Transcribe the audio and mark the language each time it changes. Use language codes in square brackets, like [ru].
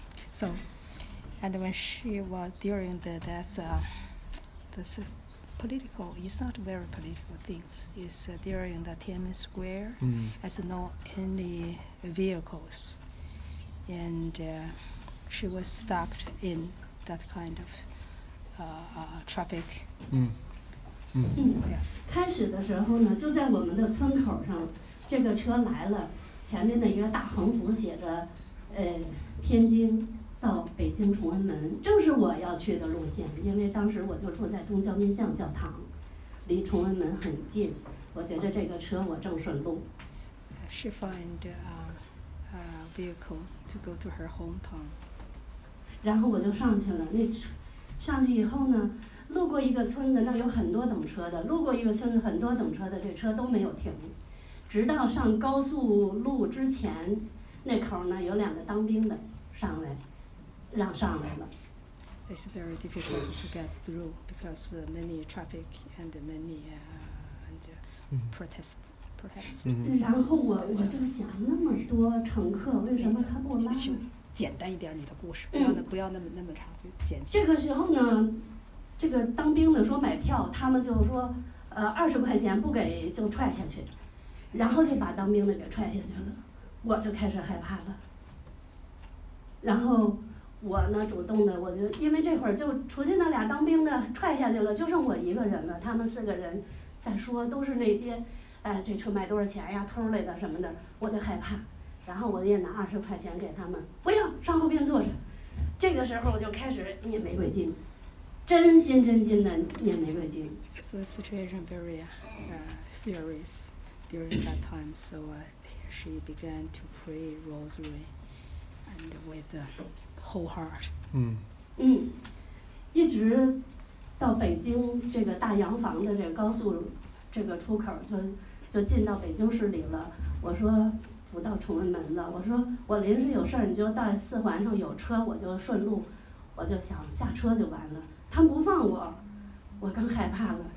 [en] So, and when she was during political, it's not very political things. It's during the Tiananmen Square, as no any vehicles. And she was stuck in that kind of traffic. [zh] 开始的时候呢，就在我们的村口上，这个车来了，前面的一个大横幅写着，天津到北京崇文门，正是我要去的路线。因为当时我就住在东郊面向教堂，离崇文门很近，我觉得这个车我正顺路。 [en] She find a vehicle to go to her hometown. [zh] 然后我就上去了。那车上去以后呢，路过一个村子，那有很多等车的。路过一个村子，很多等车的，这车都没有停。直到上高速路之前，那口呢有两个当兵的上来，让上来了。 [en] It's very difficult to get through because many traffic and many protest. [zh] 然后我就想，那么多乘客，为什么他不拉？简单一点，你的故事，不要那么长，就简单。这个时候呢，这个当兵的说买票，他们就说，20块钱不给就踹下去，然后就把当兵的给踹下去了，我就开始害怕了。然后我呢，主动的，我就因为这会儿就出去那俩当兵的踹下去了，就剩我一个人了，他们四个人在说，都是那些。哎，这车卖多少钱呀？偷来的什么的，我就害怕。然后我也拿20块钱给他们，不要上后边坐着。这个时候我就开始捏玫瑰金，真心的捏玫瑰金。 [en] So the situation very serious during that time. So she began to pray rosary and with the whole heart. [zh] 一直到北京这个大洋房的这个高速这个出口村。就进到北京市里了，我说不到崇文门了，我说我临时有事儿，你就到四环上有车，我就顺路，我就想下车就完了，他不放我，我更害怕了。